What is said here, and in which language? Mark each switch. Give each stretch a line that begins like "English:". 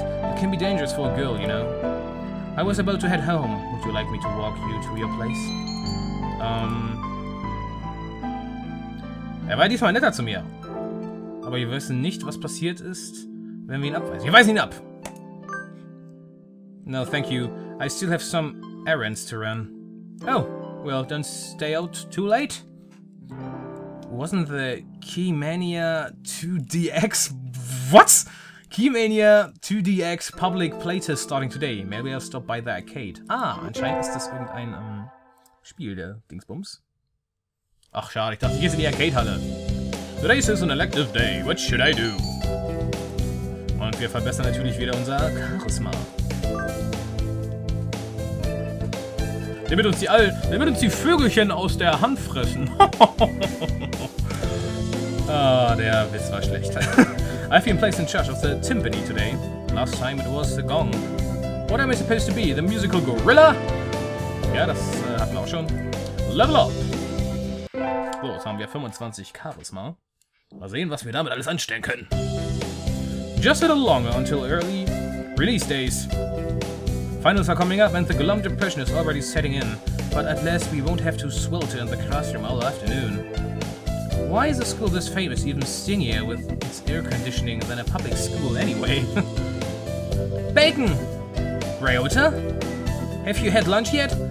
English: It can be dangerous for a girl, you know. I was about to head home. Would you like me to walk you to your place?
German: Er war diesmal netter zu mir. Aber wir wissen nicht, was passiert ist, wenn wir ihn abweisen. Wir weisen ihn ab!
English: No, thank you. I still have some errands to run. Oh, well, don't stay out too late. Wasn't the Keymania 2DX... What? Keymania 2DX public playtest starting today. Maybe I'll stop by the arcade.
German: Ah, anscheinend ist das irgendein Spiel der Dingsbums. Ach schade, ich dachte, hier ist die Arcade-Halle.
English: Today is an elective day. What should I do?
German: Und wir verbessern natürlich wieder unser Charisma. Damit uns die Vögelchen aus der Hand fressen. Ah, oh, der Witz war schlecht.
English: I feel placed in charge of the timpani today. Last time it was the gong. What am I supposed to be? The musical gorilla?
German: Ja, das hatten wir auch schon. Level up! So, jetzt haben wir 25 Charisma. Mal sehen, was wir damit alles anstellen können.
English: Just a little longer until early release days. Finals are coming up and the glum depression is already setting in. But at least we won't have to swelter in the classroom all afternoon. Why is a school this famous even stingier with its air conditioning than a public school anyway? Bacon! Ryota? Have you had lunch yet?